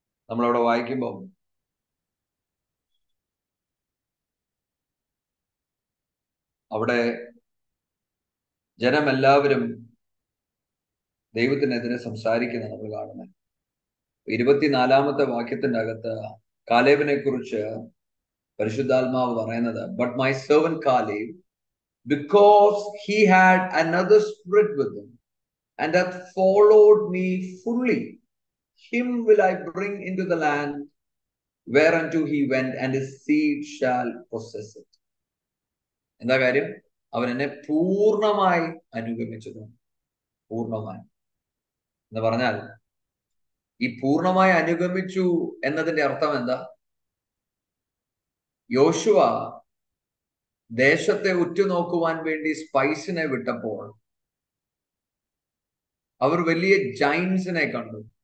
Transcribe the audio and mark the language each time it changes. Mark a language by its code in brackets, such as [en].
[ml] നമ്മളവിടെ വായിക്കുമ്പോൾ അവിടെ ജനമെല്ലാവരും ദൈവത്തിനെതിരെ സംസാരിക്കുന്ന നമ്മൾ കാണുന്നത്. 24-ാമത്തെ വാക്യത്തിൻ്റെ അകത്ത് കാലേബിനെ കുറിച്ച് പരിശുദ്ധാത്മാവ് പറയുന്നത്, [en] But my servant Caleb because he had another spirit with him and hath followed me fully, him will I bring into the land whereunto he went, and his seed shall possess it. [ml] എന്താ കാര്യം? അവൻ എന്നെ പൂർണ്ണമായി അനുഗമിച്ചതും പൂർണ്ണമായി എന്ന് പറഞ്ഞാൽ ഈ പൂർണ്ണമായി അനുഗമിച്ചു എന്നതിന്റെ അർത്ഥം എന്താ? യോശുവ ദേശത്തെ ഉറ്റുനോക്കുവാൻ വേണ്ടി സ്പൈസിനെ വിട്ടപ്പോൾ അവർ വലിയ ജയിന്റ്സിനെ കണ്ടു.